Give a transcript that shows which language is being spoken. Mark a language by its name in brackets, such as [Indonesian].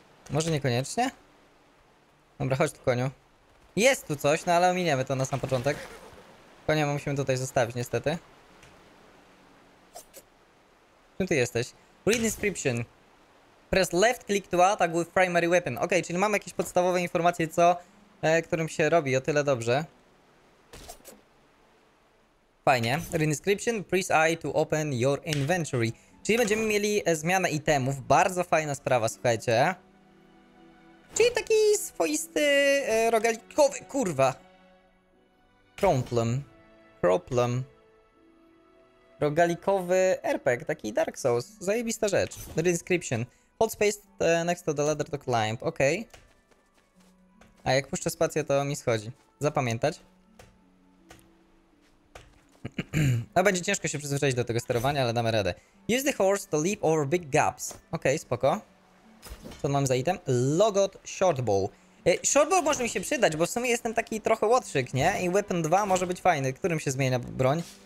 [Polish] Może niekoniecznie? Dobra, chodź tu, koniu. Jest tu coś, no ale ominiemy to na sam początek. Konia musimy tutaj zostawić, niestety. Czym ty jesteś? [English] Read inscription. Press left click to attack with primary weapon. [Polish] Ok, czyli mam jakieś podstawowe informacje, co... którym się robi, o tyle dobrze. Fajnie. [English] Read inscription. Press I to open your inventory. [Polish] Czyli będziemy mieli zmianę itemów. Bardzo fajna sprawa, słuchajcie. Czyli taki swoisty rogalikowy, kurwa. Problem. Rogalikowy RPG, taki Dark Souls. Zajebista rzecz. [English] Read inscription. Hold space next to the ladder to climb. Ok. [Polish] A jak puszczę spację, to mi schodzi. Zapamiętać. No, będzie ciężko się przyzwyczaić do tego sterowania, ale damy radę. [English] Use the horse to leap over big gaps. [Polish] Ok, spoko. Co mam za item? Logot shortbow. Shortbow może mi się przydać, bo w sumie jestem taki trochę łotrzyk, nie? I weapon 2 może być fajny, którym się zmienia broń.